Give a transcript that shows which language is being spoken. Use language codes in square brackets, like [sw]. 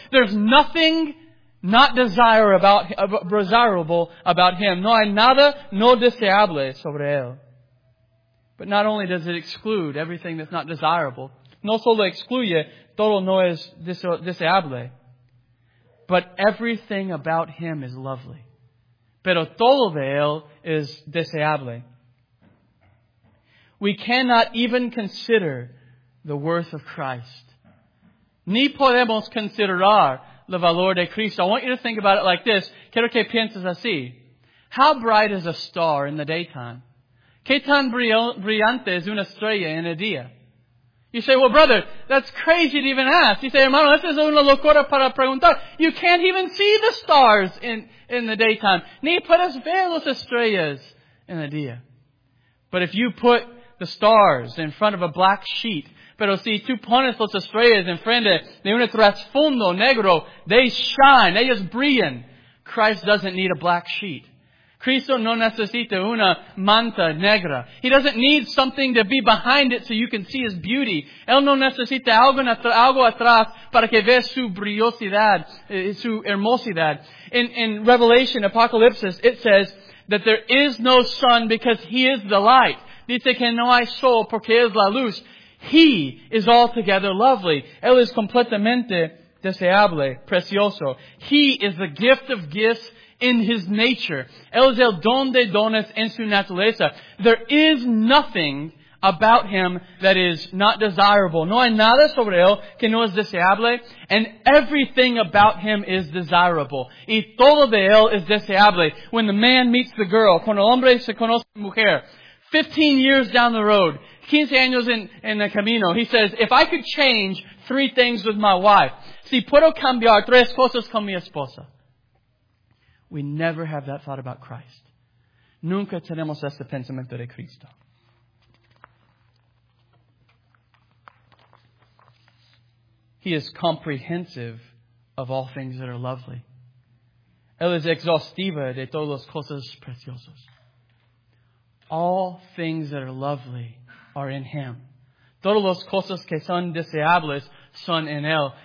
[en] There's nothing not desirable about Him. [es] No hay nada no deseable sobre Él. [en] But not only does it exclude everything that's not desirable, [es] no solo excluye, todo no es deseable, [en] but everything about Him is lovely. [es] Pero todo de Él es deseable. [en] We cannot even consider the worth of Christ. [es] Ni podemos considerar el valor de Cristo. [en] I want you to think about it like this. [es] Quiero que pienses así. [en] How bright is a star in the daytime? [es] ¿Qué tan brillante es una estrella en el día? [en] You say, well, brother, that's crazy to even ask. You say, [es] hermano, esa es una locura para preguntar. [en] You can't even see the stars in the daytime. [es] Ni puedes ver las estrellas en el día. [en] But if you put the stars in front of a black sheet, [es] pero si tú pones las estrellas en frente de un trasfondo negro, [en] they shine, [es] ellos brillan. [en] Christ doesn't need a black sheet. [es] Cristo no necesita una manta negra. [en] He doesn't need something to be behind it so you can see His beauty. [es] Él no necesita algo atrás para que veas su brillosidad, su hermosidad. [en] In Revelation, Apocalypsis, it says that there is no sun because He is the light. [es] Dice que no hay sol porque es la luz. [en] He is altogether lovely. [es] Él es completamente deseable, precioso. [en] He is the gift of gifts in His nature. [es] Él es el don de dones en su naturaleza. [en] There is nothing about Him that is not desirable. [es] No hay nada sobre Él que no es deseable. [en] And everything about Him is desirable. [es] Y todo de Él es deseable. [en] When the man meets the girl, [es] cuando el hombre se conoce a la mujer, [en] 15 years down the road, [es] 15 años en el camino, [en] he says, if I could change three things with my wife, [es] si puedo cambiar tres cosas con mi esposa. [en] We never have that thought about Christ. [es] Nunca tenemos ese pensamiento de Cristo. [en] He is comprehensive of all things that are lovely. [es] Él es exhaustiva de todas las cosas preciosas. [en] All things that are lovely are in Him. [es] Todas las cosas que son deseables son en Él.